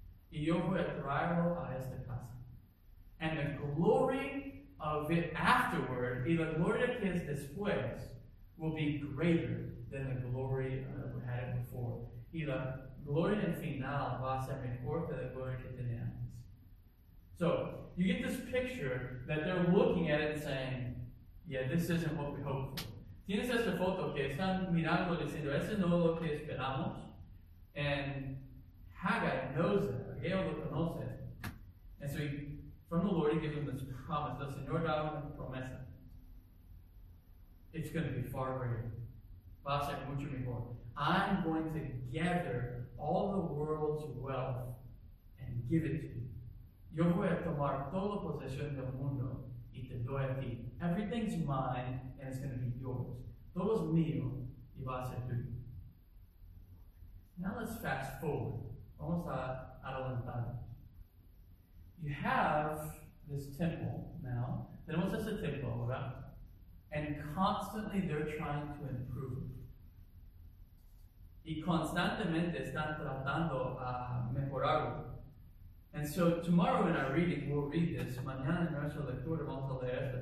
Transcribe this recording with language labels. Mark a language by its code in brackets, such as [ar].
[es] Y yo voy a traerlo a esta casa. [en] And the glory of it afterward, [es] y la gloria que es después, [en] will be greater than the glory we had it before. [es] Y la gloria en final va a ser mejor que la gloria que tenía antes. [en] So, you get this picture that they're looking at it and saying, yeah, this isn't what we hoped for. [es] Tienes esta foto que están mirando diciendo, ese no es lo que esperamos. [en] And Haggai knows that. Haggai [es] lo conoce. [en] And so, from the Lord, he gives them this promise. The [es] Señor da una promesa. [en] It's going to be far greater. [es] Va a ser mucho mejor. [en] I'm going to gather all the world's wealth and give it to you. [es] Yo voy a tomar toda la posesión del mundo y te doy a ti. [en] Everything's mine and it's going to be yours. [es] Todo es mío y va a ser tuyo. [en] Now let's fast forward. [es] Vamos a adelantar. [en] You have this temple now. [es] Tenemos este templo, ¿verdad? [en] And constantly they're trying to improve it. [es] Y constantemente están tratando a mejorarlo. [en] And so tomorrow in our reading, we'll read this. [es] Mañana en nuestra lectura vamos a leer esto.